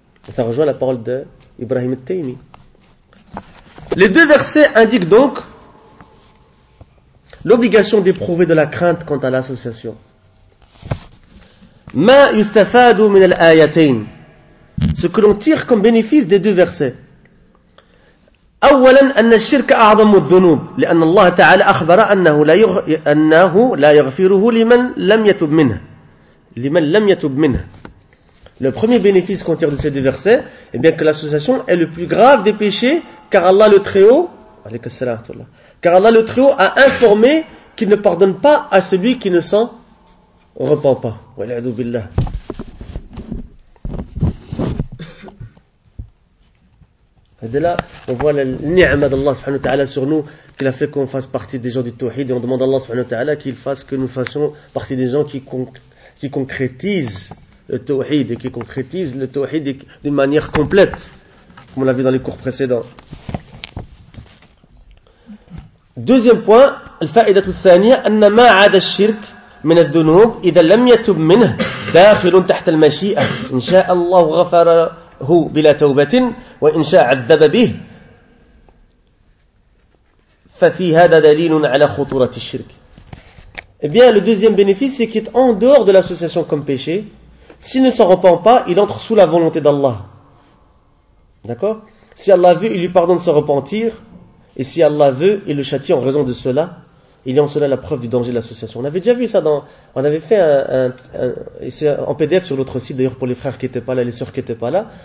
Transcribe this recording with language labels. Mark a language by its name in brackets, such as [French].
[French] Ça rejoint la parole d'Ibrahim al-Taymi. Les deux versets indiquent donc l'obligation d'éprouver de la crainte quant à l'association. [Arabic] Ma yustafadu min al-ayatayn. [French] Ce que l'on tire comme bénéfice des deux versets. [Arabic] أولا أن الشرك أعظم الذنوب لأن الله تعالى أخبر أنه لا يغفره لمن لم يتب منه لمن لم يتب منه. [French] Le premier bénéfice qu'on tire de ces deux versets est bien que l'association est le plus grave des péchés, car Allah le Très-Haut, [Arabic] alayka salatullah, [French] car Allah le Très-Haut a informé qu'il ne pardonne pas à celui qui ne s'en repent pas. Wal'adhu billah. Et de là, on voit le ni'ma d'Allah subhanahu wa ta'ala sur nous, qu'il a fait qu'on fasse partie des gens du Tawhid, et on demande à Allah subhanahu wa ta'ala qu'il fasse que nous fassions partie des gens qui concrétisent le Tawhid, et qui concrétisent le Tawhid d'une manière complète, comme on l'a vu dans les cours précédents. Deuxième point, [Arabic] al-fa'idatu thaniya, anna ma'ada al-shirk min al-dunub, idha lam yatub minh, dakhilun tahta al-mashi'a, insha'Allah ghafara. هو بلا توبة وإنشاء عذب به ففي هذا دليل على خطورة الشرك. [French] Eh bien, le deuxième bénéfice, c'est qu'il est en dehors de l'association comme péché. S'il ne s'en repent pas, il entre sous la volonté d'Allah. D'accord ? Si Allah veut, il lui pardonne de se repentir. Et si Allah veut, il le châtie en raison de cela. Il y a en cela la preuve du danger de l'association. On avait déjà vu ça dans. On avait fait un PDF sur l'autre site, d'ailleurs, pour les frères qui n'étaient pas là, les sœurs qui n'étaient pas là.